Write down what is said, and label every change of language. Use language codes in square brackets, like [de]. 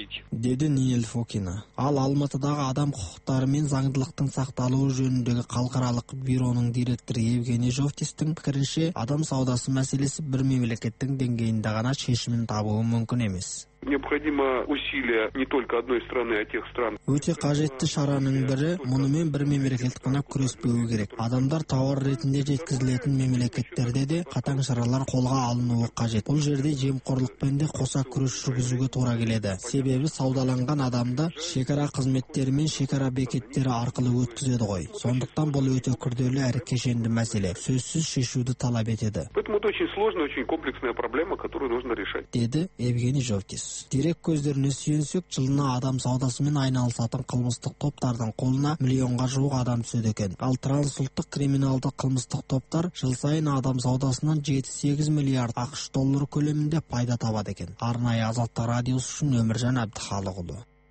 [kk] Деді Нинель Фокина. Ал Алматыдағы адам құқықтары мен заңдылықтың сақталуы жөніндегі халықаралық бюроның директоры Евгений Жовтистің пікірінше, адам саудасы мәселесі бір мемлекеттің деңгейінде ғана шешімін табуы мүмкін емес. [ru] Необходимо усилия не только одной страны, а тех стран. [kk] Өте қажетті шараның бірі, мұнымен бір мемлекет қана күреспеуі керек. Адамдар тауар ретінде жеткізілетін мемлекеттерде де қатаң шаралар қолға алынуы қажет. Бұл жерде жемқорлықпен де қоса күрес жүргізуге тура келеді. Себебі саудаланған адамды шекара қызметтері мен шекара бекеттері арқылы өткізеді ғой. Сондықтан бұл өте күрделі әрі кешенді мәселе. Сөзсіз шешуді талап етеді. [ru] Поэтому это очень сложная, очень комплексная проблема, которую нужно решать. [kk] Деді Евгений Жовтис. Дерек көздеріне сүйенсек, жылына адам саудасымен айналысатын қылмыстық топтардың қолына миллионға жуық адам түседі екен. Ал трансұлттық криминалды қылмыстық топтар жыл сайын адам саудасынан 7-8 миллиард ақш доллары көлемінде пайда табады екен. Арнайы Азаттық радиосы үшін Өміржан Әбдіхалықұлы.